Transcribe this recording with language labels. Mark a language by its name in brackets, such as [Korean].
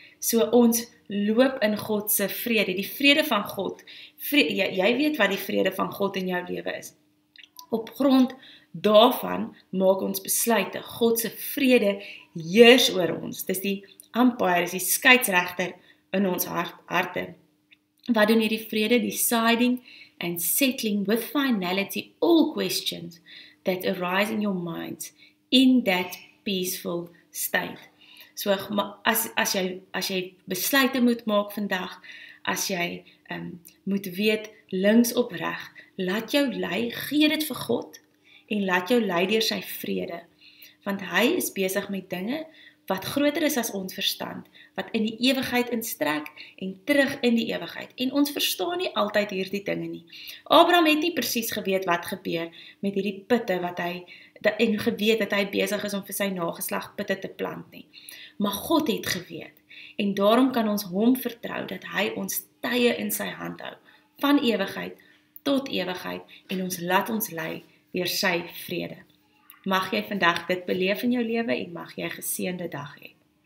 [Afrikaans] So ons loop in God se vrede, die vrede van God. Jy weet wat die vrede van God in jou lewe is. Op grond daarvan maak ons besluite. God se vrede heers oor ons. Dis die umpire, dis die skeidsregter in ons harte. Wat doen hierdie vrede? [English] Deciding and settling with finality all questions that arise in your mind in that peaceful state. [Afrikaans] So as jy besluite moet maak vandag, as jy moet weet links op reg, laat jou lei, gee dit vir God en laat jou lei deur sy vrede. Want hy is besig met dinge wat groter is as ons verstand, wat in die ewigheid instrek en terug in die ewigheid. En ons verstaan nie altyd hierdie dinge nie. Abraham het nie presies geweet wat gebeur met hierdie putte wat hy en geweet dat hy besig is om vir sy nageslag putte te plant nie. Maar God het geweet. En daarom kan ons hom vertrou dat hy ons tye in sy hand hou. Van ewigheid tot ewigheid. En ons laat ons lei deur sy vrede. Mag jy vandag dit beleef in jou lewe en mag jy 'n geseënde dag hê.